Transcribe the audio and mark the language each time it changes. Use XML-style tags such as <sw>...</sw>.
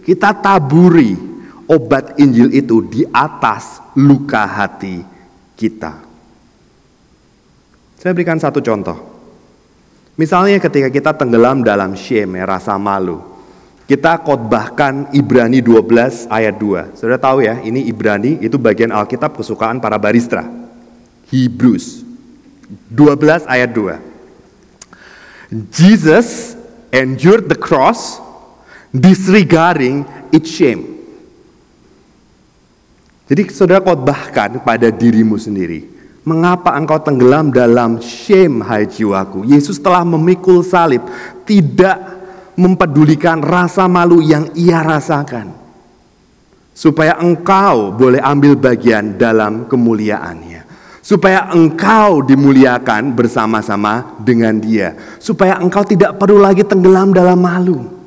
<id>Kita taburi obat Injil itu di atas luka hati kita. Saya berikan satu contoh. Misalnya ketika kita tenggelam dalam shame, ya, rasa malu. Kita khotbahkan Ibrani 12 ayat 2. Sudah tahu ya, ini Ibrani itu bagian Alkitab kesukaan para barista. Hebrews 12 ayat 2.</id> <en>Jesus endured the cross, disregarding its shame.</en> <id>Jadi saudara khotbahkan pada dirimu sendiri. Mengapa engkau tenggelam dalam shame, hai jiwaku? Yesus telah memikul salib, tidak mempedulikan rasa malu yang ia rasakan, supaya engkau boleh ambil bagian dalam kemuliaannya, supaya engkau dimuliakan bersama-sama dengan dia, supaya engkau tidak perlu lagi tenggelam dalam malu.</id>